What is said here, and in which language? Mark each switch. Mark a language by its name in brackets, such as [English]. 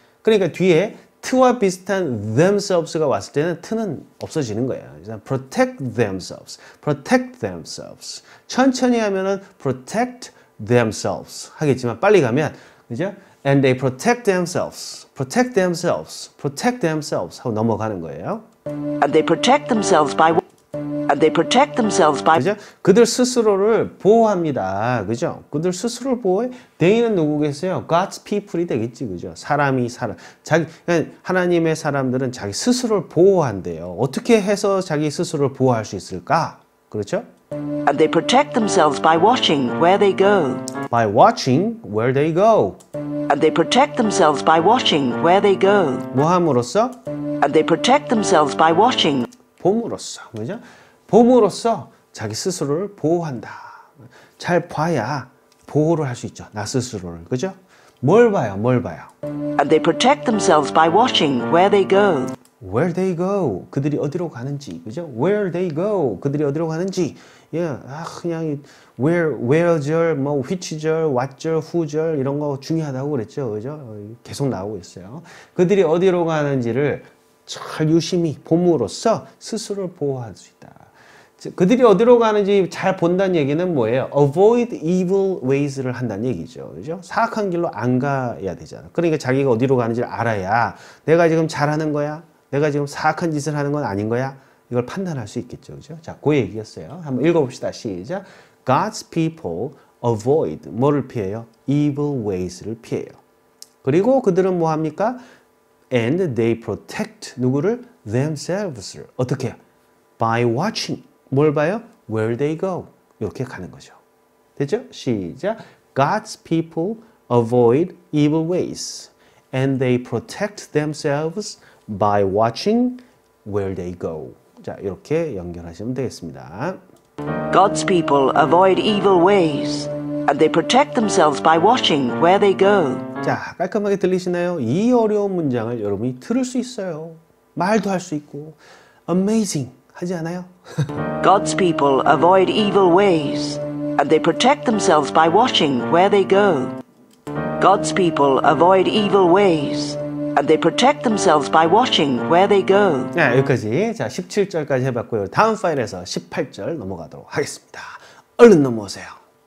[Korean] 그러니까 뒤에 to와 비슷한 themselves가 왔을 때는 to는 없어지는 거예요. 그래서 [English] protect themselves, protect themselves. [Korean] 천천히 하면은 [English] protect themselves [Korean] 하겠지만 빨리 가면 그죠? [English] And they protect themselves, protect themselves, protect themselves [Korean] 하고 넘어가는 거예요. [English] And they protect themselves by And they protect themselves by [Korean] 그죠? 그들 스스로를 보호합니다. 그죠? 그들 스스로를 보호해. They는 누구겠어요? God's people이 되겠지. 그죠? 사람이 사람. 자기 하나님의 사람들은 자기 스스로를 보호한대요. 어떻게 해서 자기 스스로를 보호할 수 있을까? 그렇죠? [English] And they protect themselves by watching where they go. By watching where they go. And they protect themselves by watching where they go. [Korean] 뭐함으로써? [English] And they protect themselves by watching [Korean] 봄으로써, 그죠? 봄으로써 자기 스스로를 보호한다. 잘 봐야 보호를 할 수 있죠. 나 스스로를, 그죠? 뭘 봐요? 뭘 봐요? [English] And they protect themselves by watching where they go. Where they go? [Korean] 그들이 어디로 가는지, 그죠? [English] Where they go? [Korean] 그들이 어디로 가는지. 예, 아 그냥 where절, 뭐 which절, what절, who절 이런 거 중요하다고 그랬죠, 그죠? 계속 나오고 있어요. 그들이 어디로 가는지를 잘 유심히 봄으로써 스스로를 보호할 수 있다. 그들이 어디로 가는지 잘 본다는 얘기는 뭐예요? [English] Avoid evil ways [Korean] 를 한다는 얘기죠. 그죠? 사악한 길로 안 가야 되잖아. 그러니까 자기가 어디로 가는지를 알아야 내가 지금 잘하는 거야? 내가 지금 사악한 짓을 하는 건 아닌 거야? 이걸 판단할 수 있겠죠. 그죠? 자, 그 얘기였어요. 한번 읽어봅시다. 시작. [English] God's people avoid, [Korean] 뭐를 피해요? Evil ways를 피해요. 그리고 그들은 뭐 합니까? [English] And they protect, [Korean] 누구를? Themselves를. 어떻게? [English] By watching. [Korean] 뭘 봐요? [English] Where they go. [Korean] 이렇게 가는 거죠. 됐죠? 시작. [English] God's people avoid evil ways. And they protect themselves by watching where they go. [Korean] 자, 이렇게 연결하시면 되겠습니다. [English] God's people avoid evil ways. And they protect themselves by watching where they go. [Korean] 자, 깔끔하게 들리시나요? 이 어려운 문장을 여러분이 들을 수 있어요. 말도 할 수 있고. Amazing. 하지 않아요? [English] God's people avoid evil ways and they protect themselves by watching where they go. God's people avoid evil ways and they protect themselves by watching where they go. [Korean] 네, 여기까지. 자, 17절까지 해봤고요. 다음 파일에서 18절 넘어가도록 하겠습니다. 얼른 넘어오세요.